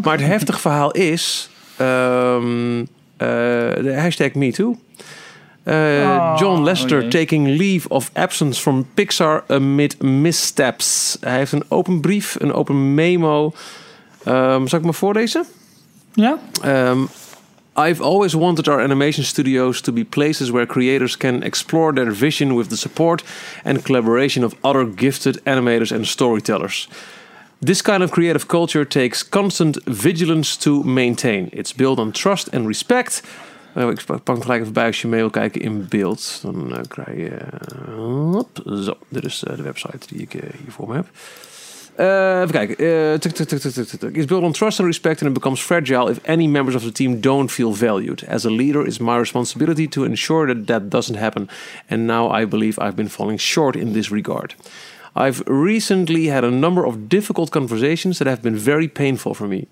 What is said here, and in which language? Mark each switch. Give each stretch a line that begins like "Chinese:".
Dutch: Maar het heftig verhaal is de hashtag MeToo.
English: John Lester taking leave of absence from Pixar amid missteps.
Dutch: Hij heeft een open brief, een open memo. Zal ik me voorlezen? Ja.
English: I've always wanted our animation studios to be places where creators can explore their vision with the support and collaboration of other gifted animators and storytellers. This kind of creative culture takes constant vigilance to maintain. It's built on trust and respect.
Dutch: Ik pak gelijk even bij als je mee wil kijken in beeld. Dan krijg je... Zo, dit is de website die ik hier voor me heb. Even kijken.
English: It's built on trust and respect and it becomes fragile if any members of the team don't feel valued. As a leader, it's my responsibility to ensure that that doesn't happen. And now I believe I've been falling short in this regard. I've recently had a number of difficult conversations that have been very painful for me.